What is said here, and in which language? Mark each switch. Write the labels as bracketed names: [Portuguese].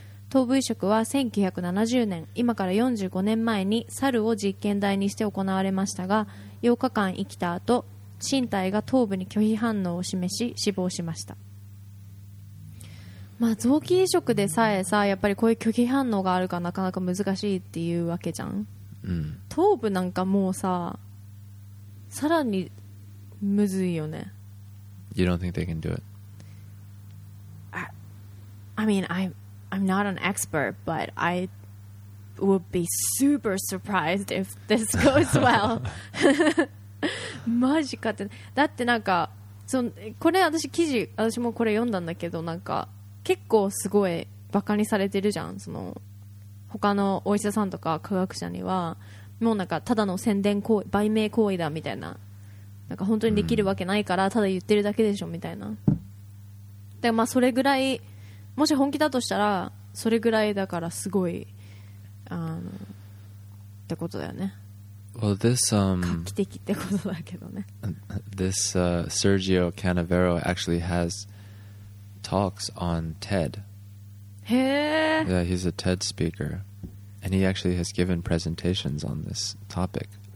[Japanese] 頭部移植は1970年今から45年前に猿を実験台にして行われましたが8日間生きた後身体が頭部に拒否反応を示し死亡しました。まあ臓器移植でさえさやっぱりこういう拒否反応があるかなかなか難しいっていうわけじゃん、うん、頭部なんかもうささらにむずいよね。 [English] You don't think they can do it? I mean I'm not an expert but I would be super surprised if this goes well. [Japanese] マジかって。だってなんかそのこれ私もこれ読んだんだけどなんか結構すごいバカにされてるじゃん。その他のお医者さんとか科学者にはもうなんかただの宣伝行為売名行為だみたいな、なんか本当にできるわけないからただ言ってるだけでしょみたいな。だからまあそれぐらいもし本気だとしたらそれぐらいだからすごいあのってことだよね。 [English] Well, this, Sergio Canavero actually has talks on TED. Hey. Yeah, he's a TED speaker. And he actually has given presentations on this topic.